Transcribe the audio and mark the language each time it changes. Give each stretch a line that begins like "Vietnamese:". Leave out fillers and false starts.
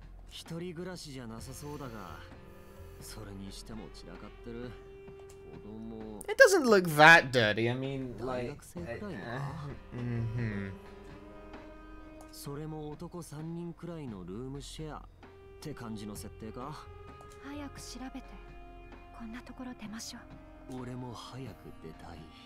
Japanese: 一人暮らしじゃなさそうだが、それにしても散らかってる。子供。
English: It doesn't look that dirty. I mean, like.
Japanese: 大学生くらいな。それも男三人くらいのルームシェアって感じの設定か。早く調べて。こんなところ出ましょう。俺も早く出たい。